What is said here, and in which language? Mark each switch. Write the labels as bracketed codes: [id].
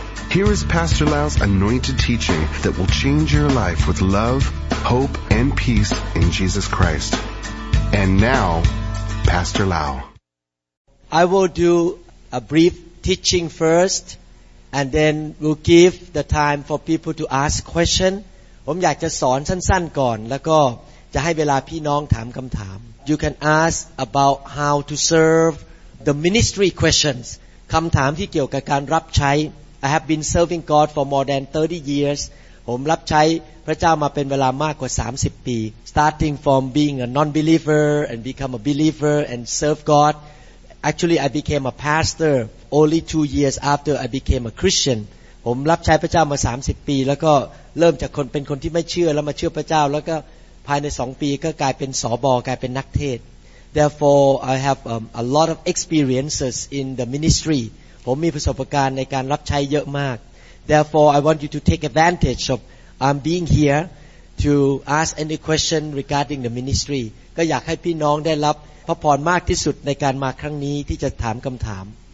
[en] Here is Pastor Lau's anointed teaching that will change your life with love, hope, and peace in Jesus Christ. And now, Pastor Lau. I will do a brief teaching first, and then we'll give the time for people to ask questions. [th] ผมอยากจะสอนสั้นๆก่อนแล้วก็จะให้เวลาพี่น้องถามคำถาม [en] You can ask about how to serve the ministry questions. [th] คำถามที่เกี่ยวกับการรับใช้ [en] I have been serving God for more than 30 years. [th] ผมรับใช้พระเจ้ามาเป็นเวลามากกว่า30ปี [en] Starting from being a non-believer and become a believer and serve God. Actually, I became a pastor only 2 years after I became a Christian. [th] ผมรับใช้พระเจ้ามา30ปีแล้วก็เริ่มจากคนเป็นคนที่ไม่เชื่อแล้วมาเชื่อพระเจ้าแล้วก็ภายใน2ปีก็กลายเป็นสบกลายเป็นนักเทศ [en] Therefore I have a lot of experiences in the ministry [th] ผมมีประสบการณ์ในการรับใช้เยอะมาก [en] Therefore I want you to take advantage of I'm being here to ask any question regarding the ministry [th] ก็อยากให้พี่น้องได้รับพระพรมากที่สุดในการมาครั้งนี้ที่จะถามคำถาม